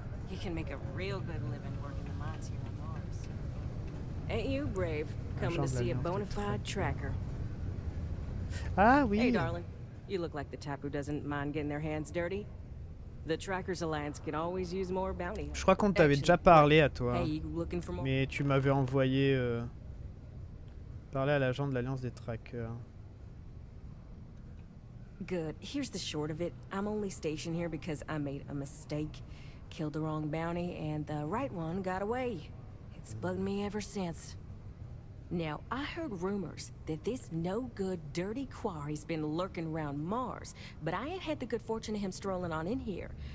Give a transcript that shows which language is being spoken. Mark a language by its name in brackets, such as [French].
[English] You can make a real good living working the mines here on Mars. Ain't you brave coming to see a bona fide tracker? [French] Ah oui. [English] Hey darling, you look like the type who doesn't mind getting their hands dirty. The Trackers Alliance can always use more bounty. [French] Je crois qu'on t'avait déjà parlé à toi, mais tu m'avais envoyé parler à l'agent de l'Alliance des Trackers. [English] Good. Here's the short of it. I'm only stationed here because I made a mistake, killed the wrong bounty, and the right one got away. It's bugged me ever since. Now, I heard rumors that this no-good, dirty quarry's been lurking around Mars, but I ain't had the good fortune of him strolling on in here.